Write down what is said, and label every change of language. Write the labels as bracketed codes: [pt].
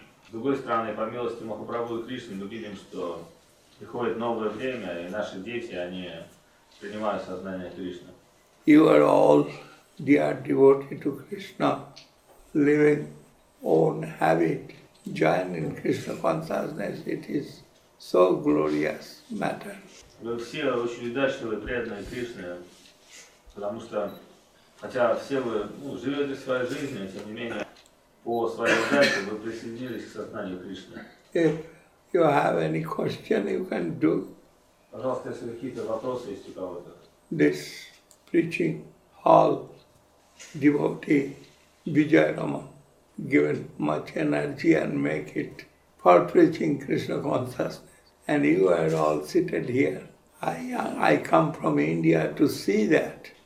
[en] you are all dear devotee to Krishna, living own habit, join in Krishna consciousness, it is so glorious matter. [ru] Вы все очень удачливы, преданные Кришне, потому что, хотя все вы живете своей жизнью, тем не менее, по своей удаче вы присоединились к сознанию Кришны. [en] If you have any question, you can do. [ru] Пожалуйста, если какие-то вопросы есть у кого-то. [en] This preaching hall devotee Vijay Rama given much energy and make it for preaching Krishna consciousness. And you are all seated here. I come from India to see that.